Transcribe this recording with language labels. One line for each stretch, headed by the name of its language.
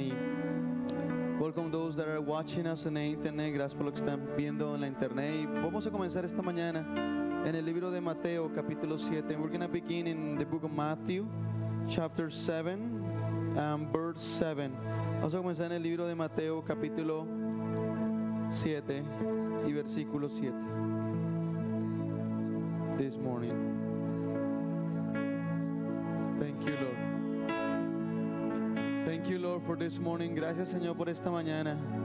English: Y welcome those that are watching us on the internet.
Spanish: Gracias por lo que están viendo en la internet. Y vamos a comenzar esta mañana en el libro de Mateo, capítulo 7.
English: We're going to begin in the book of Matthew, chapter 7, verse 7.
Spanish: Vamos a comenzar en el libro de Mateo, capítulo 7 y versículo 7.
English: This morning. Thank you, Lord. Thank you, Lord, for this morning.
Spanish: Gracias, Señor, por esta mañana.